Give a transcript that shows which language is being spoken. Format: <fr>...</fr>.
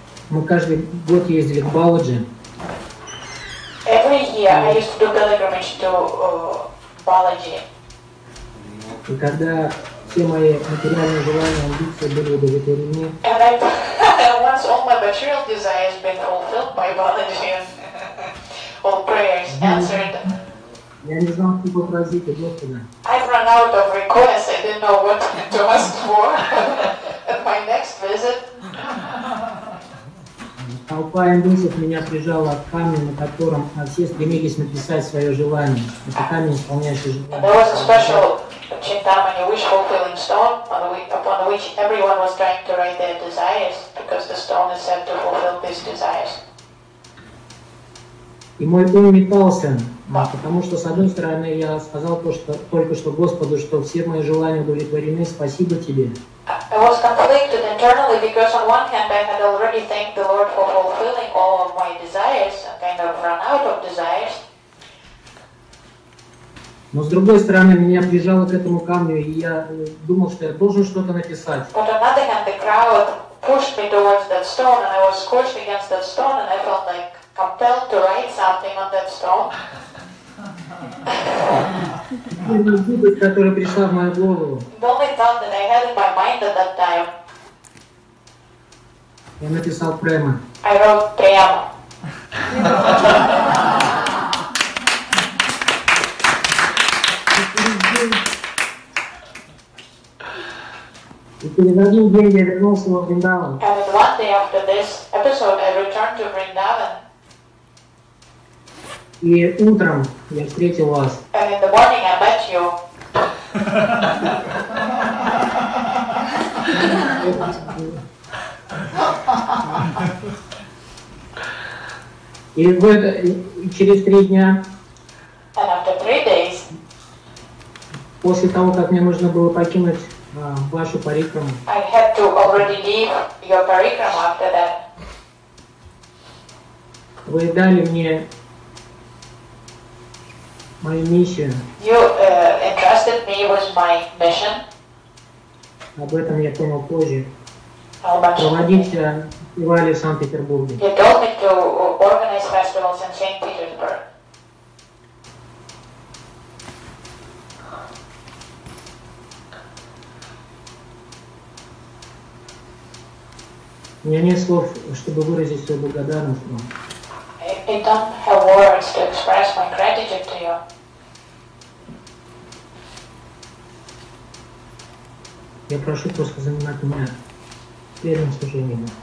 <ru>Мы каждый год ездили к Бауджи.</ru> <en>Every year I used to do pilgrimage to Balaji.</en> <ru>И когда все мои материальные желания, амбиции были удовлетворены.</ru> <en>And I, once all my material desires been fulfilled by Balaji all prayers answered.</en> <ru>Я не знал, как попросить у Господа.</ru> <en>I've run out of requests. I didn't know what to ask for at my next visit.</en> <ru>Толпа индусов меня прижала к камню, на котором все стремились написать свое желание. Это камень, исполняющий желание.</ru> <en>There was a special Chintamani wish fulfilling stone upon which everyone was trying to write their desires, because the stone is said to fulfill these desires.</en> <ru>И мой ум метался, потому что с одной стороны я сказал то, что только что Господу, что все мои желания удовлетворены, спасибо тебе.</ru> <en>I was conflicted internally because on one hand I had already thanked the Lord for fulfilling all of my desires, kind of run out of desires.</en> <ru>Но с другой стороны меня прижало к этому камню, и я думал, что я должен что-то написать.</ru> <en>But on other hand the crowd pushed me towards that stone, and I was squished against that stone, and I felt like compelled to write something on that stone. The only thought that I had in my mind at that time.</en> <ru>Я написал Prema.</ru> <en>I wrote Prem. And in one day after this episode, I returned to Vrindavan.</en> <ru>И утром я встретил вас.</ru> <en>And in the morning I met you.</en> <ru>И в это, и через три дня.</ru> <en>And after three days.</en> <ru>После того, как мне нужно было покинуть вашу парикраму.</ru> <en>I had to already leave your parikram after that.</en> <ru>Вы дали мне</ru> <en>my mission. You entrusted me with my mission.</en> <ru>Об этом я понял позже.</ru> <en>How much?</en> <ru>Проводить фестивали в Санкт-Петербурге.</ru> <en>You told me to organize festivals in St. Petersburg.</en> <ru>У меня нет слов, чтобы выразить свою благодарность вам.</ru> <en>I don't have words to express my gratitude to you.</en> <ru>Я прошу просто занимать меня первым служением.</ru>